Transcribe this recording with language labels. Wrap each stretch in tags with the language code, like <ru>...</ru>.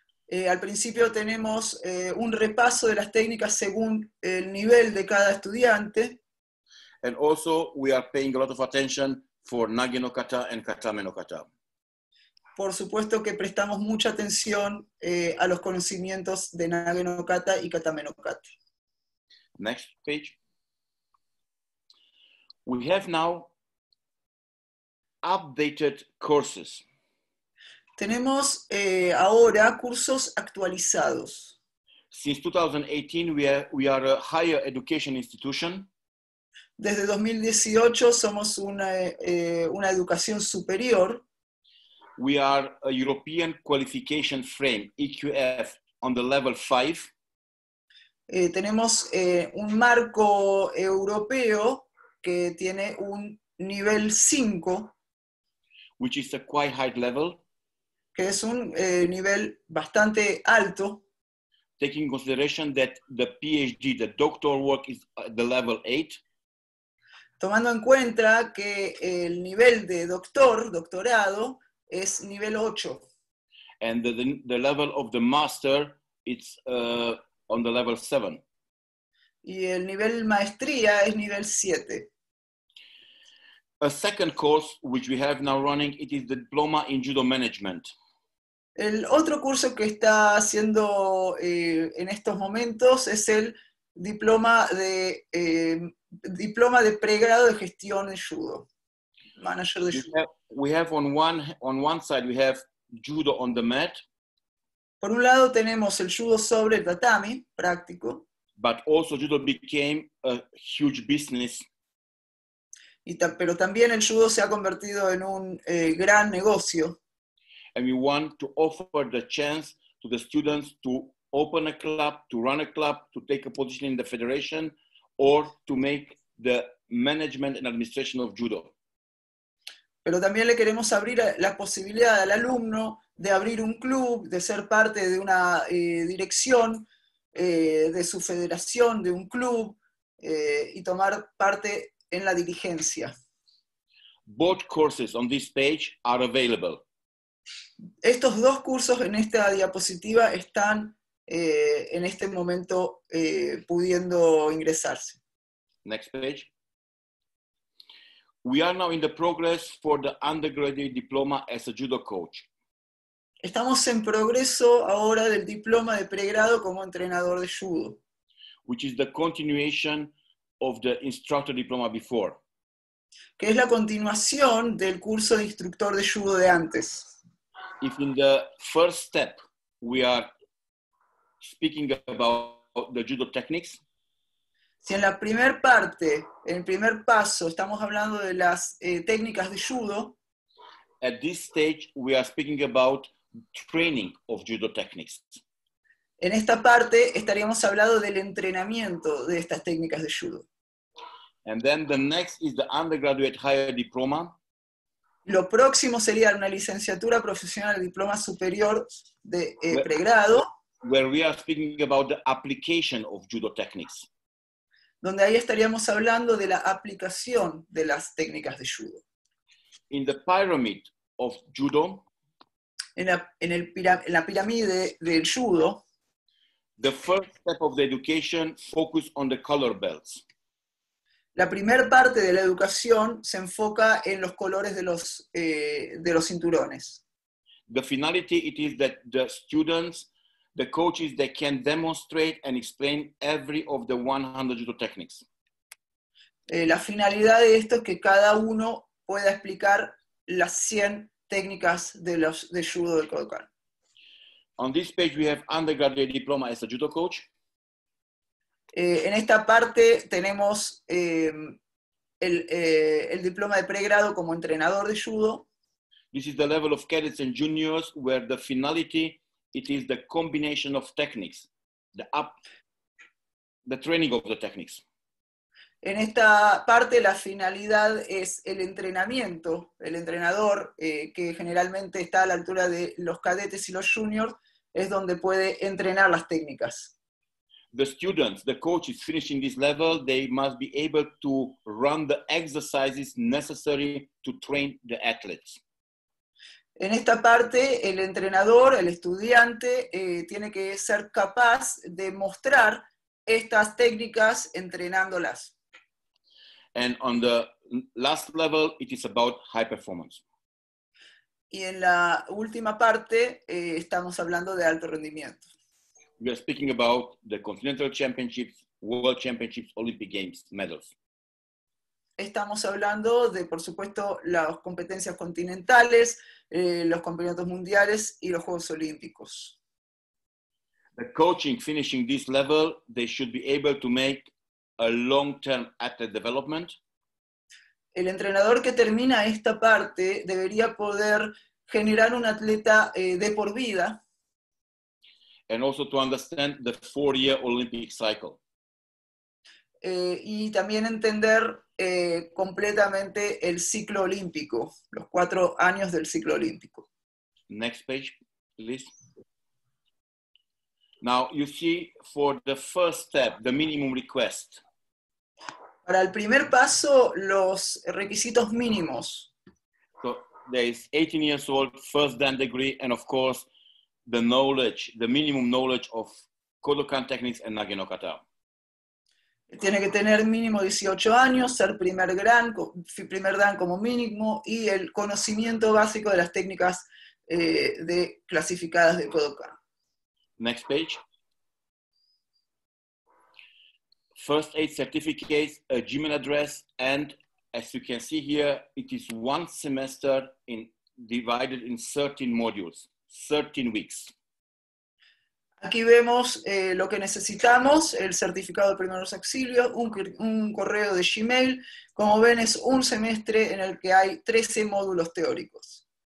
<es>Al principio tenemos un repaso de las técnicas según el nivel de cada estudiante.</es> <en>And also we are paying a lot of attention for nage no kata and katame no kata.</en> <es>Por supuesto que prestamos mucha atención a los conocimientos de nage no kata y katame no kata.</es> <en>Next page. We have now updated courses.</en> <es>Tenemos ahora cursos actualizados.</es> <en>Since 2018, we are a higher education institution.</en> <es>Desde 2018 somos una educación superior.</es> <en>We are a European Qualification Frame, EQF, on the level 5.</en> <es>Tenemos un marco europeo que tiene un nivel 5.</es> <en>Which is a quite high level.</en> <es>Que es un nivel bastante alto.</es> <en>Taking consideration that the PhD, the doctoral work is at the level 8.</en> <es>Tomando en cuenta que el nivel de doctorado es nivel 8.</es> <en>And the level of the master it's on the level 7.</en> <es>Y el nivel maestría es nivel 7.</es> <en>A second course which we have now running, it is the diploma in judo management.</en> <es>El otro curso que está haciendo en estos momentos es el diploma de pregrado de gestión en judo. Manager de judo.</es> <en>We have on one side we have judo on the mat.</en> <es>Por un lado tenemos el judo sobre el tatami, práctico.</es> <en>But also judo became a huge business.</en> <es>Pero también el judo se ha convertido en un gran negocio.</es> <en>And we want to offer the chance to the students to open a club, to run a club, to take a position in the federation, or to make the management and administration of judo.</en> <es>Pero también le queremos abrir la posibilidad al alumno de abrir un club, de ser parte de una dirección de su federación, de un club, y tomar parte en la dirigencia.</es> <en>Both courses on this page are available.</en> <es>Estos dos cursos en esta diapositiva están en este momento pudiendo ingresarse.</es> <en>Next page. We are now in the progress for the undergraduate diploma as a judo coach.</en> <es>Estamos en progreso ahora del diploma de pregrado como entrenador de judo.</es> <en>Which is the continuation of the instructor diploma before.</en> <es>Que es la continuación del curso de instructor de judo de antes.</es> <en>If in the first step we are speaking about the judo techniques,</en> <es>si en la primer parte, en el primer paso, estamos hablando de las técnicas de judo,</es> <en>at this stage we are speaking about training of judo techniques.</en> <es>En esta parte estaríamos hablando del entrenamiento de estas técnicas de judo.</es> <en>And then the next is the undergraduate higher diploma.</en> <es>Lo próximo sería una licenciatura profesional, diploma superior de pregrado.</es> <en>Where we are speaking about the application of judo techniques.</en> <es>Donde ahí estaríamos hablando de la aplicación de las técnicas de judo.</es> <en>In the pyramid of judo.</en> <es>En la pirámide del judo.</es> <en>The first step of the education focuses on the color belts.</en> <es>La primera parte de la educación se enfoca en los colores de los cinturones.</es> <en>The finality it is that the students, the coaches, they can demonstrate and explain every of the 100 judo techniques.</en> <es>La finalidad de esto es que cada uno pueda explicar las 100 técnicas de judo del Kodokan.</es> <en>On this page we have undergraduate diploma as a judo coach.</en> <es>En esta parte tenemos el diploma de pregrado como entrenador de judo.</es> <en>This is the level of cadets and juniors where the finality it is the combination of techniques, the training of the techniques.</en> <es>En esta parte la finalidad es el entrenamiento, el entrenador que generalmente está a la altura de los cadetes y los juniors es donde puede entrenar las técnicas.</es> <en>The students, the coaches finishing this level, they must be able to run the exercises necessary to train the athletes.</en> <es>En esta parte, el entrenador, el estudiante, tiene que ser capaz de mostrar estas técnicas entrenándolas.</es> <en>And on the last level, it is about high performance.</en> <es>Y en la última parte, estamos hablando de alto rendimiento.</es> <en>We are speaking about the Continental Championships, World Championships, Olympic Games medals.</en> <es>Estamos hablando de, por supuesto, las competencias continentales, los campeonatos mundiales y los Juegos Olímpicos.</es> <en>The coaching finishing this level, they should be able to make a long-term athlete development.</en> <es>El entrenador que termina esta parte debería poder generar un atleta de por vida.</es> <en>And also to understand the four-year Olympic cycle.</en> <es>Y también entender completamente el ciclo olímpico, los 4 años del ciclo olímpico.</es> <en>Next page, please. Now, you see, for the first step, the minimum request.</en> <es>Para el primer paso, los requisitos mínimos.</es> <en>So, there is 18 years old, first dan degree, and of course, the knowledge, the minimum knowledge of Kodokan techniques and Nage no Kata.</en> <es>Tiene que tener mínimo 18 años, ser primer dan como mínimo y el conocimiento básico de las técnicas de clasificadas de Kodokan.</es> <en>Next page. First aid certificates, a Gmail address, and as you can see here, it is one semester divided in 13 modules. 13 weeks.</en> <es>Aquí vemos lo que necesitamos, el certificado de primeros auxilios, un correo de Gmail. Como ven, es un semestre en el que hay 13 módulos teóricos.</es>